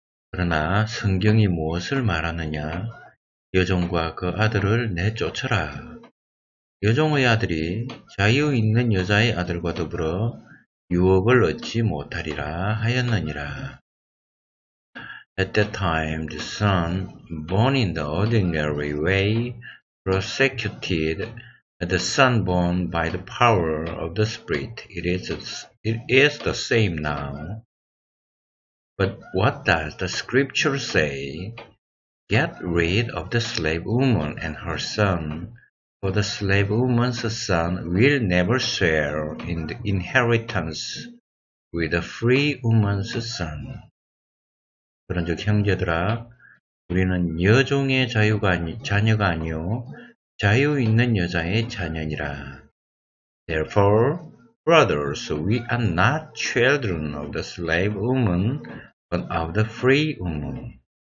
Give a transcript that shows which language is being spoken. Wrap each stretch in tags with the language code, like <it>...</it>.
<ko>그러나 성경이 무엇을 말하느냐? 여종과 그 아들을 내쫓아라. 여종의 아들이 자유 있는 여자의 아들과 더불어 유업을 얻지 못하리라 하였느니라.</ko> <en>At that time, the son, born in the ordinary way, prosecuted the son born by the power of the Spirit. It is the same now. But what does the scripture say? Get rid of the slave woman and her son, for the slave woman's son will never share in the inheritance with the free woman's son.</en> <ko>그런즉 형제들아 우리는 여종의 자녀가 아니요 자유 있는 여자의 자녀니라.</ko> <en>Therefore, brothers, we are not children of the slave woman, but of the free woman.</en>